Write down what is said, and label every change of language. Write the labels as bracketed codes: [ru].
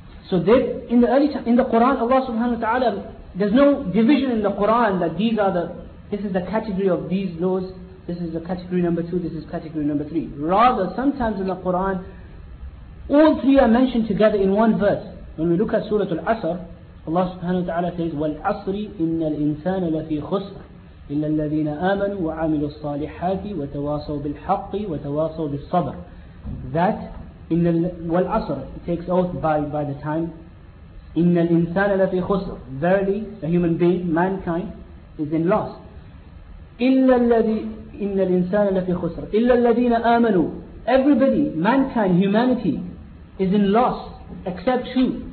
[en] So they, in the early time, in the Quran, Allah subhanahu wa ta'ala, there's no division in the Quran that this is the category of these laws, this is the category number two, this is category number three. Rather, sometimes in the Quran, all three are mentioned together in one verse. When we look at Surah Al-Asr, Allah subhanahu wa ta'ala says, [ar] وَالْعَصْرِ إِنَّ الْإِنسَانَ لَفِي خُسْرٍ إِلَّا الَّذِينَ آمَنُوا وَعَمِلُوا الصَّالِحَاتِ وَتَوَاصَوْا بِالْحَقِّ وَتَوَاصَوْا بِالصَّبْرِ. [en] That, in Al-Asr, it takes oath by the time, [ar] إِنَّ الْإِنسَانَ لَفِي خُسْرٍ. [en] Verily, a human being, mankind, is in loss. [ar] إِنَّ الْإِنسَانَ لَفِي خُسْرٍ. إِلَّا الَّذِينَ آمَنُوا. [en] Everybody, mankind, humanity, is in loss, except who?